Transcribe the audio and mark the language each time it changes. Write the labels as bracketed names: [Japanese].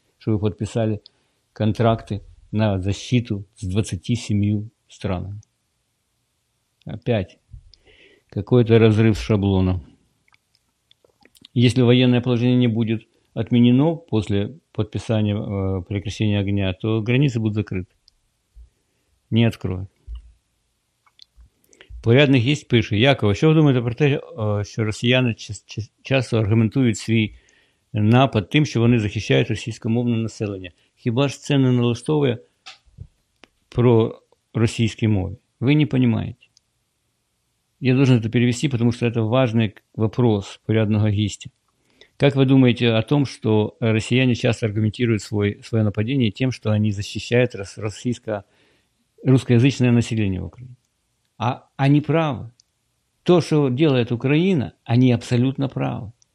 [Russian] Что вы подписали контракты на защиту с 27 странами? Опять какой-то разрыв шаблона. Если военное положение не будет отменено после подписания прекращения огня, то границы будут закрыты. Не откроют. [Ukrainian] Порядних есть, пише. Яков, що ви думаєте про те, що росіяни часто аргументують свій напад тим, що вони захищають російськомовне населення? Хіба ж це не налаштовує про російські мови? Ви не розумієте. [Russian] Я должен это перевести, потому что это важный вопрос порядного гостя. Как вы думаете о том, что россияне часто аргументируют свое нападение тем, что они защищают русскоязычное население в Украине? А они правы. То, что делает Украина, они абсолютно правы.